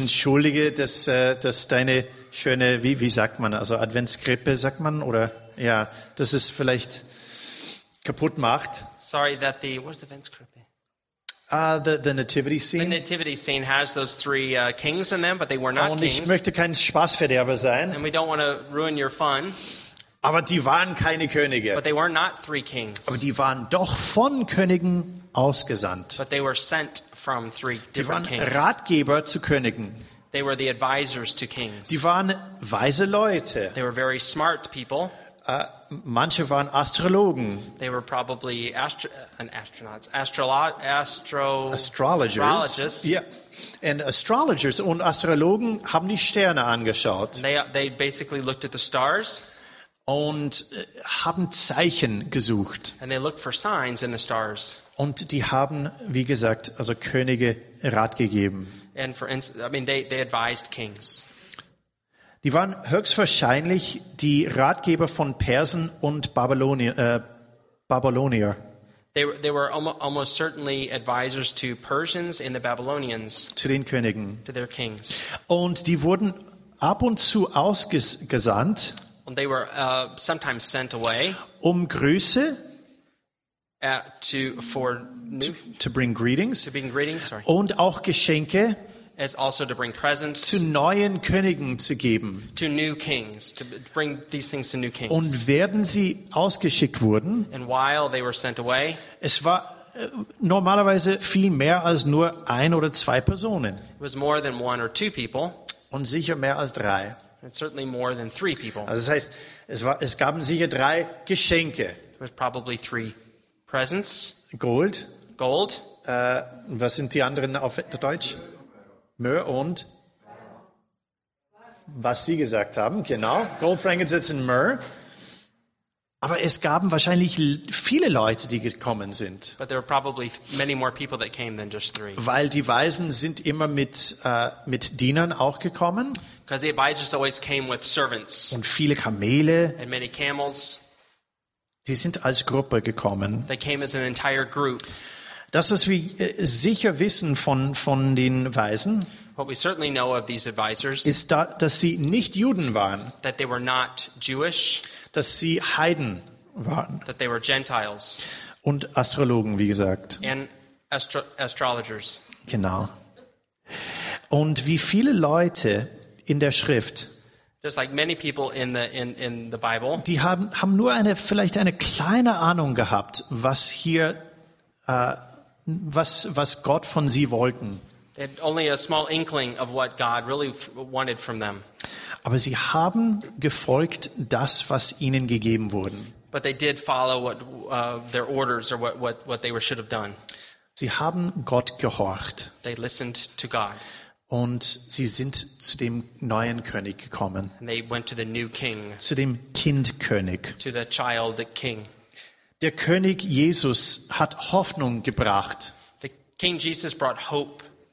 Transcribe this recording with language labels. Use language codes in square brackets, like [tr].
[de] Entschuldige, dass deine schöne, wie sagt man, also Adventskrippe, sagt man, oder ja, das ist vielleicht kaputt macht. [en] Sorry that the, what is Adventskrippe? The nativity scene. The nativity scene has those three kings in them, but they were not kings. [de] Und ich möchte kein Spaßverderber sein. [en] And we don't want to ruin your fun. [de] Aber die waren keine Könige. [en] But they were not three kings. [de] Aber die waren doch von Königen ausgesandt. [en] But they were sent from three different kings. [de] Die waren Ratgeber zu Königen. [en] They were the advisors to kings. [de] Die waren weise Leute. [en] They were very smart people. [de] Manche waren Astrologen. [en] They were probably astrologers. Astrologists. Yeah. And astrologers [de] und Astrologen haben die Sterne angeschaut. [en] They basically looked at the stars. [de] Und haben Zeichen gesucht. [en] And they looked for signs in the stars. [de] Und die haben, wie gesagt, also Könige Rat gegeben. [en] And for instance, I mean, they advised kings. [de] Die waren höchstwahrscheinlich die Ratgeber von Persen und Babylonier. [en] They were almost certainly advisors to Persians and the Babylonians. [de] Zu den Königen. [en] To their kings. [de] Und die wurden ab und zu ausgesandt. [en] And they were sometimes sent away. [de] Um Grüße. [en] To bring greetings. To bring greetings, sorry. [de] Und auch Geschenke. [en] As also to bring presents [de] zu neuen Königen zu geben. [en] To new kings, to bring these things to new kings. [de] Und werden sie ausgeschickt wurden. [en] And while they were sent away. [de] Es war normalerweise viel mehr als nur ein oder zwei Personen. [en] It was more than one or two people. [de] Und sicher mehr als drei. [en] And certainly more than three people. [de] Also das heißt, es gaben sicher drei Geschenke. [en] It was probably three presents. [de] Gold. [en] Gold. [de] Was sind die anderen auf Deutsch? Myrrh und was Sie gesagt haben, genau. [en] Gold, frankincense und myrrh. [de] Aber es gaben wahrscheinlich viele Leute, die gekommen sind. [en] But there were probably many more people that came than just three. [de] Weil die Weisen sind immer mit Dienern auch gekommen. [en] Because the advisors always came with servants. [de] Und viele Kamele. [en] And many camels. [de] Die sind als Gruppe gekommen. [en] They came as an entire group. [de] Das, was wir sicher wissen von den Weisen, [en] what we certainly know of these advisors, [de] ist, dass sie nicht Juden waren, [en] that they were not Jewish, [de] dass sie Heiden waren, [en] that they were Gentiles, [de] und Astrologen, wie gesagt. [en] And astrologers. [de] Genau. Und wie viele Leute in der Schrift, [en] just like many people in the Bible, [de] die haben nur vielleicht eine kleine Ahnung gehabt, was hier was Gott von sie wollten. [en] They had only a small inkling of what God really wanted from them. [de] Aber sie haben gefolgt das, was ihnen gegeben wurden. [en] But they did follow their orders or what they should have done. [de] Sie haben Gott gehorcht. [en] They listened to God. [de] Und sie sind zu dem neuen König gekommen. [en] And they went to the new king. [de] Zu dem Kindkönig. [en] To the child king. [de] Der König Jesus hat Hoffnung gebracht. [en] The King Jesus brought hope.